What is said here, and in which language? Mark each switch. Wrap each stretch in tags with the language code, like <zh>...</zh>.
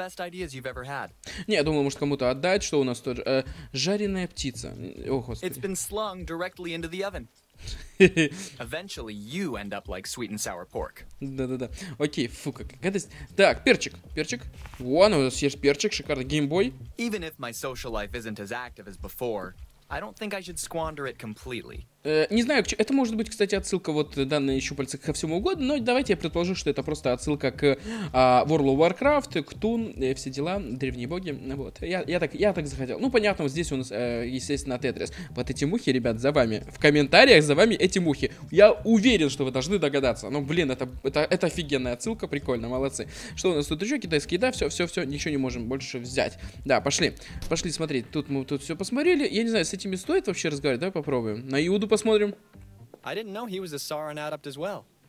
<ru>Не, я думал, может кому-то отдать, что у нас тут жареная птица. О, господи.</ru> <en>It's been slung directly into the oven. Eventually you end up like sweet and sour pork.</en> <ru>Да-да-да. Окей, фу, какая гадость. Так, перчик. Перчик. Вон, у нас есть перчик, шикарный геймбой.</ru> <en>Even if my social life isn't as active as before, I don't think I should squander it completely.</en> <ru>Не знаю, это может быть, кстати, отсылка вот данные щупальца ко всему угодно, но давайте я предположу, что это просто отсылка к World of Warcraft, к Тун, все дела, древние боги, вот. Я так захотел. Ну, понятно, вот здесь у нас, естественно, Тетрис. Вот эти мухи, ребят, за вами. В комментариях за вами эти мухи. Я уверен, что вы должны догадаться. Ну, блин, это офигенная отсылка, прикольно, молодцы. Что у нас тут еще? Китайская еда, все, ничего не можем больше взять. Да, пошли смотреть. Тут мы тут все посмотрели. Я не знаю, с этими стоит вообще разговаривать, давай попробуем. На Юду посмотрим.</ru> <en>I didn't know he was a Sauron adept as well.</en>